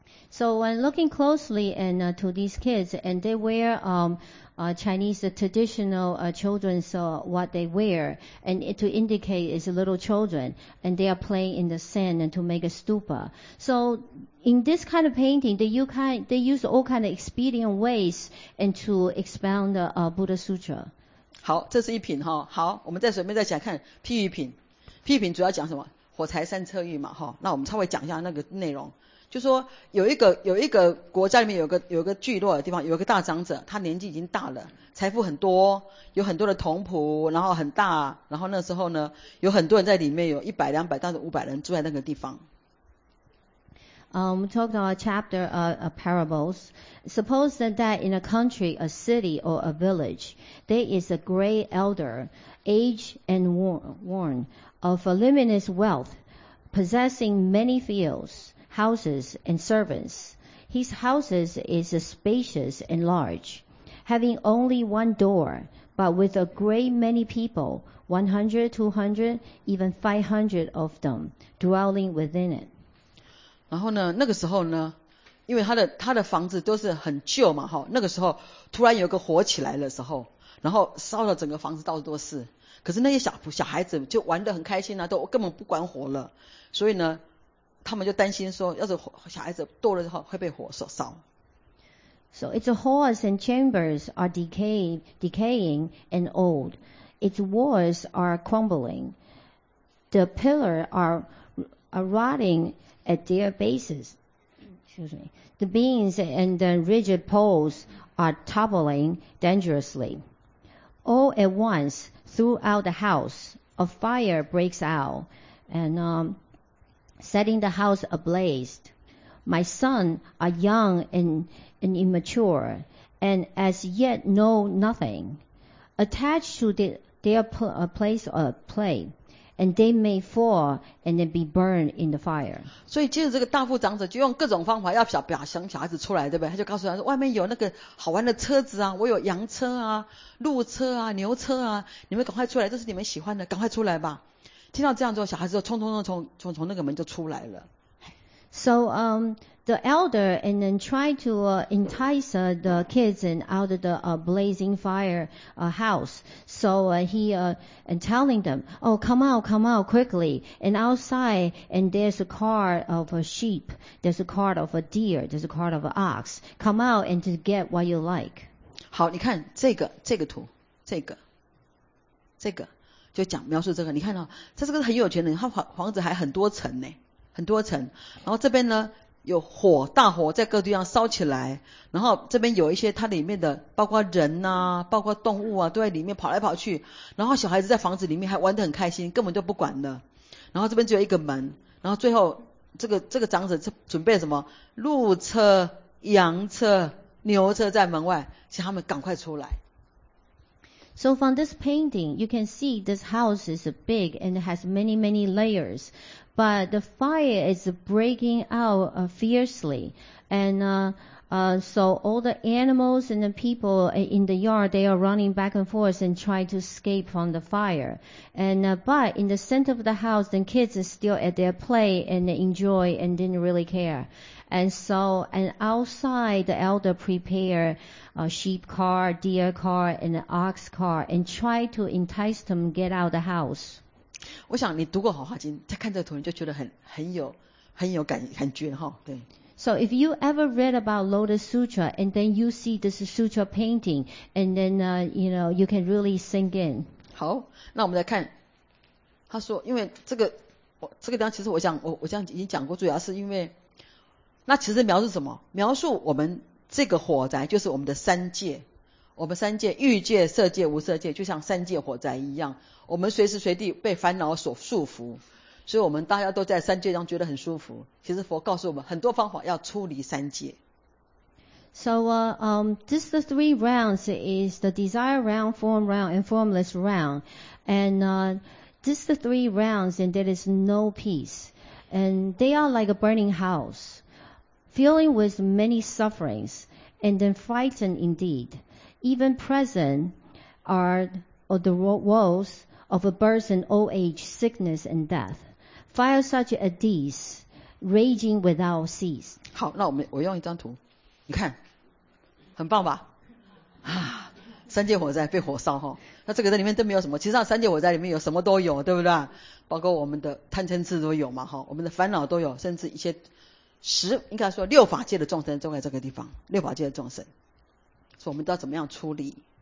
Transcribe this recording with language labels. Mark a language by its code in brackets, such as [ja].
[en] So when looking closely and to these kids, and they wear Chinese traditional children's what they wear, and it, to indicate it's little children, and they are playing in the sand and to make a stupa. So in this kind of painting, they use all kind of expedient ways and to expound the Buddha Sutra. [zh] 好，这是一品哈。好，我们再随便再讲看譬喻品。譬喻品主要讲什么？火柴三车喻嘛，哈。那我们稍微讲一下那个内容，就说有一个国家里面有一个聚落的地方，有一个大长者，他年纪已经大了，财富很多，有很多的童仆，然后很大，然后那时候呢，有很多人在里面，有一百、两百，甚至五百人住在那个地方。 [en] We talked about chapter parables. Suppose that in a country, a city or a village, there is a great elder, aged and worn, of voluminous wealth, possessing many fields, houses and servants. His houses is spacious and large, having only one door, but with a great many people, 100, 200, even 500 of them, dwelling within it. [zh] 然后呢，那个时候呢，因为他的房子都是很旧嘛，哈，那个时候突然有个火起来的时候，然后烧了整个房子到处都是。可是那些小孩子就玩得很开心啊，都根本不管火了，所以呢，他们就担心说，要是小孩子堕了之后会被火所烧。 [en] So its halls and chambers are decaying and old. Its walls are crumbling. The pillars are rotting. At their bases, excuse me, the beams and the rigid poles are toppling dangerously. All at once, throughout the house, a fire breaks out and setting the house ablaze. My son are young and immature and as yet know nothing. Attached to their place of play,And they may fall and then be burned in the fire. [zh] 所以接着这个大副长者就用各种方法要想小孩子出来，对不对？他就告诉他说，外面有那个好玩的车子啊，我有羊车啊、鹿车啊、牛车啊，你们赶快出来，这是你们喜欢的，赶快出来吧。听到这样之后，小孩子就冲冲冲冲冲从那个门就出来了。 [en] So, the elder and then try to entice the kids and out of the blazing fire house. So he and telling them, oh, come out quickly. And outside, and there's a cart of a sheep, there's a cart of a deer, there's a cart of an ox. Come out and just get what you like. [zh] 好，你看这个图，这个就讲描述这个。你看到、哦、这是个很有钱的，他房子还很多层呢，很多层。然后这边呢。有火，大火在各地上烧起来，然后这边有一些它里面的，包括人啊，包括动物啊，都在里面跑来跑去，然后小孩子在房子里面还玩得很开心，根本就不管了。然后这边只有一个门，然后最后这个长者准备什么？鹿车、羊车、牛车在门外，请他们赶快出来。 [en] So from this painting, you can see this house is big and has many, many layers. But the fire is breaking out fiercely. And so all the animals and the people in the yard, they are running back and forth and trying to escape from the fire. And but in the center of the house, the kids are still at their play and enjoy and didn't really care. And outside, the elder prepare a sheep car, deer car, and an ox car and try to entice them to get out of the house. [zh] 我想你读过《好话经》，再看这个图，你就觉得很有感觉哈。对。 [en] So if you ever read about Lotus Sutra and then you see this sutra painting, and then you know you can really sink in. [zh] 好，那我们来看，他说，因为这个地方其实我这样已经讲过，主要是因为，那其实描述什么？描述我们这个火灾就是我们的三界。我们三界欲界色界无色界就像三界火灾一样我们随时随地被烦恼所束缚所以我们大家都在三界上觉得很舒服其实佛告诉我们很多方法要出离三界 [en] So this the three realms is the desire realm, form realm and formless realm and this the three realms and there is no peace and they are like a burning house filling with many sufferings and then frightened indeedEven present are the woes of a person, old age, sickness, and death. Fire such as these, raging without cease. [zh] 好，那我用一张图，你看，很棒吧？啊，三界火灾被火烧哈，那这个在里面都没有什么，其实上三界火灾里面有什么都有，对不对？包括我们的贪嗔痴都有嘛哈，我们的烦恼都有，甚至一些十应该说六法界的众生都在这个地方，六法界的众生，所以我们都要怎么样处理？